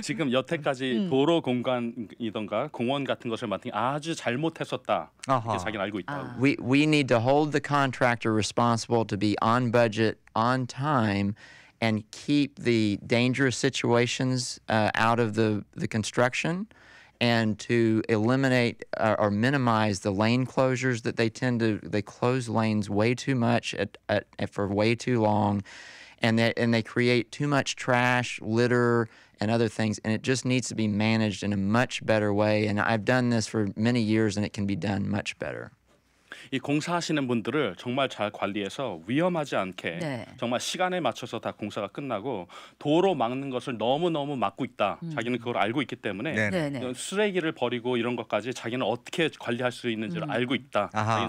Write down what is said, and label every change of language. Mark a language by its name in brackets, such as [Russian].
[Korean] 지금 여태까지 도로 공간이던가 공원 같은 것을 맡은 게 아주 잘못했었다. 자기는 알고 있다. [English] We need to hold the contractor responsible to be on budget, on time, and keep the dangerous situations out of the construction, and to eliminate or minimize the lane closures that they close lanes way too much at for way too long. And they create too much trash, litter, and other things, and it just needs to be managed in a much better way. And I've done this for many years, and it can be done much better. [Korean] 이 공사하시는 분들을 정말 잘 관리해서 위험하지 않게 네. 정말 시간에 맞춰서 다 공사가 끝나고 도로 막는 것을 너무너무 막고 있다. 자기는 그걸 알고 있기 때문에 네네. 쓰레기를 버리고 이런 것까지 자기는 어떻게 관리할 수 있는지를 알고 있다. 아하.